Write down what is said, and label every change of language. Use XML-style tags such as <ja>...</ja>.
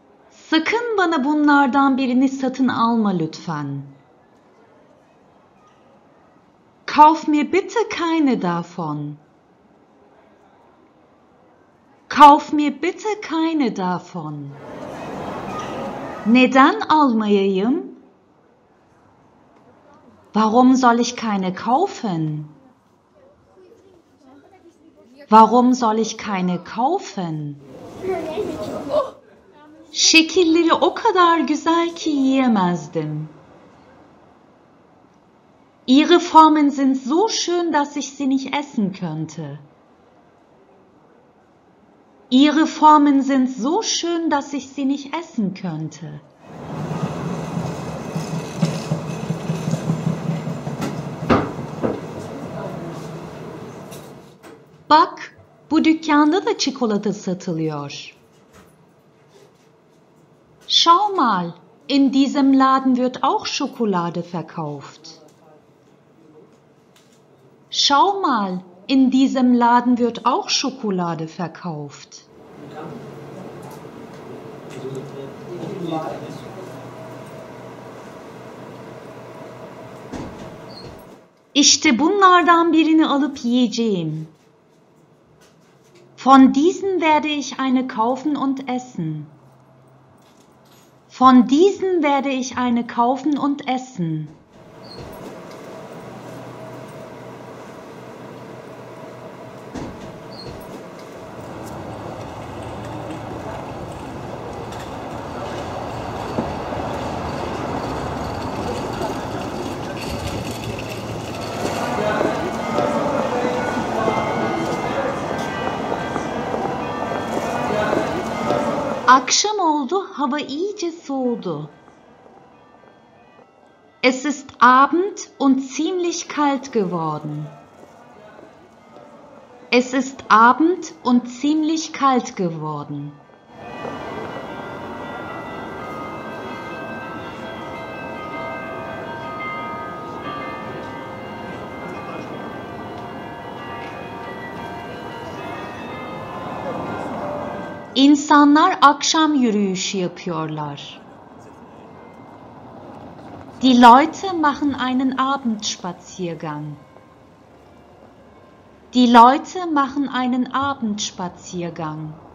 <tr>Sakın bana bunlardan birini satın alma lütfen.</tr> <de>Kauf mir bitte keine davon. Kauf mir bitte keine davon.</de> <tr>Neden almayayım?</tr> <de>Warum soll ich keine kaufen? Warum soll ich keine kaufen?</de> <tr>Şekilleri o kadar güzel ki yiyemezdim.</tr> <de>Ihre Formen sind so schön, dass ich sie nicht essen könnte. Ihre Formen sind so schön, dass ich sie nicht essen könnte.</de> <tr>Bak, bu dükkanda da çikolata satılıyor.</tr> <de>Schau mal, in diesem Laden wird auch Schokolade verkauft. Schau mal, in diesem Laden wird auch Schokolade verkauft.</de> <tr>İşte bunlardan birini alıp yiyeceğim.</tr> <de>Von diesen werde ich eine kaufen und essen. Von diesen werde ich eine kaufen und essen.</de> <tr>Akşam oldu, hava iyice soğudu.</tr> <de>Es ist Abend und ziemlich kalt geworden. Es ist Abend und ziemlich kalt geworden.</de> <tr>İnsanlar akşam yürüyüşü yapıyorlar.</tr> <de>Die Leute machen einen Abendspaziergang. Die Leute machen einen Abendspaziergang.</de>